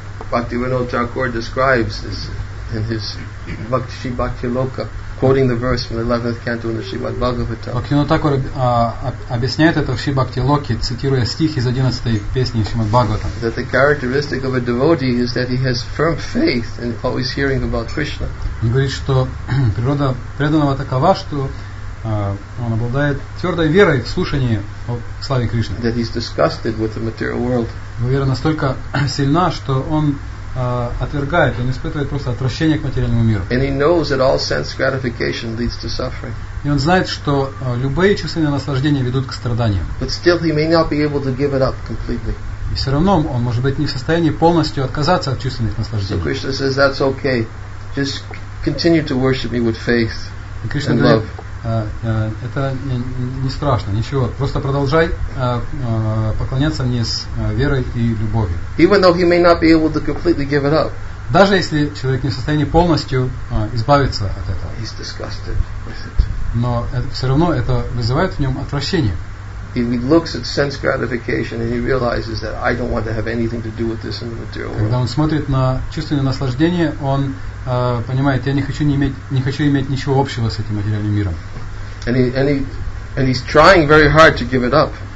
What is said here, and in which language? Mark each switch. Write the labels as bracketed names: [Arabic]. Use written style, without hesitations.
[English] Bhaktivinoda Thakur describes this in his Bhakti Bhakti Loka. Quoting the verse from the 11th canto in the Srimad Bhagavatam. [Russian] Бхактивинода Такур объясняет это в Шибхакти Локе, цитируя стих из 11 песни Шримад Бхагаватам. [English] That the characteristic of a devotee is that he has firm faith in always hearing about Krishna. [Russian] Он говорит, что природа преданного такова, что он обладает твердой верой в слушании о славе Кришны. [English] That he's disgusted with the material world. [Russian] Его вера настолько сильна, что он отвергает, он испытывает просто отвращение к материальному миру. [English] And he knows that all sense gratification leads to suffering. [Russian] И он знает, что любые чувственные наслаждения ведут к страданиям. [English] But still he may not be able to give it up completely. [Russian] И все равно он может быть не в состоянии полностью отказаться от чувственных наслаждений. [English] So Krishna says that's okay, just continue to worship me with faith and love. [Russian] Говорит, это не страшно, ничего. Просто продолжай поклоняться мне с верой и любовью. [English] Even though he may not be able to completely give it up. [Russian] Даже если человек не в состоянии полностью избавиться от этого. [English] He's disgusted with it. [Russian] Но это, все равно это вызывает в нем отвращение. [English] He looks at sense gratification and he realizes that I don't want to have anything to do with this in the material world. [Russian] Когда он смотрит на чувственное наслаждение, он понимает, я не хочу иметь ничего общего с этим материальным миром. [English] And he's trying very hard to give it up.